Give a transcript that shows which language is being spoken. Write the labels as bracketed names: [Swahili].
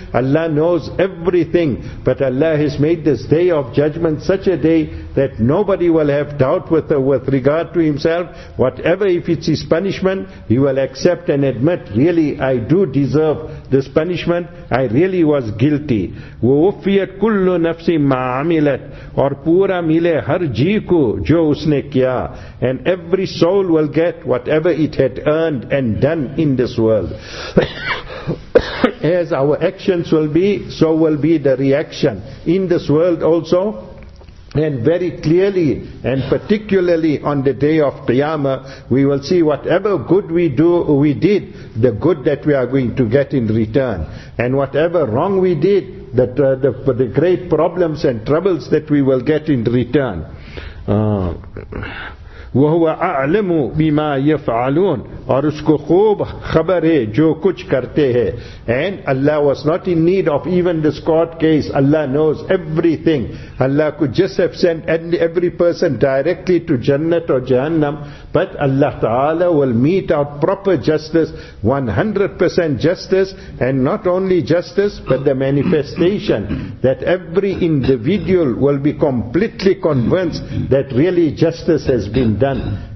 [English] Allah knows everything. But Allah has made this day of judgment such a day that nobody will have doubt with regard to himself. Whatever, if it's his punishment, he will accept and admit, really I do deserve this punishment. I really was guilty. [Arabic] وَوُفِّيَتْ كُلُّ نَفْسٍ مَا عَمِلَتْ [Urdu] اور پورا ملے ہر جی کو جو اس نے کیا. [English] And every soul will get whatever it had earned and done in this world. As our actions will be, so will be the reaction in this world also. And very clearly and particularly on the day of Qiyamah, we will see whatever good we did, the good that we are going to get in return. And whatever wrong we did, the great problems and troubles that we will get in return. [Arabic] وَهُوَ أَعْلَمُ بِمَا يَفْعَلُونَ [Urdu] اور اس کو خوب خبر ہے جو کچھ کرتے ہیں. [English] And Allah was not in need of even this court case. Allah knows everything. Allah could just have sent every person directly to Jannat or Jahannam. But Allah Ta'ala will mete out proper justice, 100% justice, and not only justice, but the manifestation that every individual will be completely convinced that really justice has been done.